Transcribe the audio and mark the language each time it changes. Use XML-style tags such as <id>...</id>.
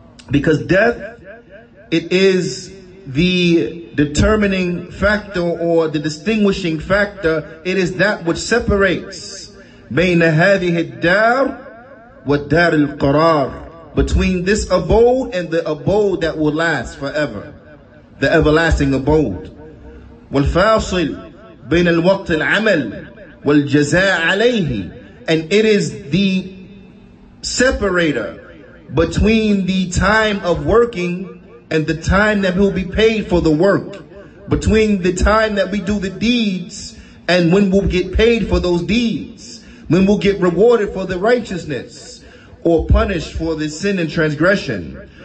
<en>Because death, it is the determining factor or the distinguishing factor, it is that which separates</en> <ar>bayna hadhihi ad-dar wa ad-dar al-qarar,</ar> <en>between this abode and the abode that will last forever, the everlasting abode.</en> <ar>والفاصل بين الوقت العمل والجزاء عليه.</ar> <en>And it is the separator between the time of working and the time that we'll be paid for the work, between the time that we do the deeds and when we'll get paid for those deeds, when we'll get rewarded for the righteousness or punished for the sin and transgression.</en>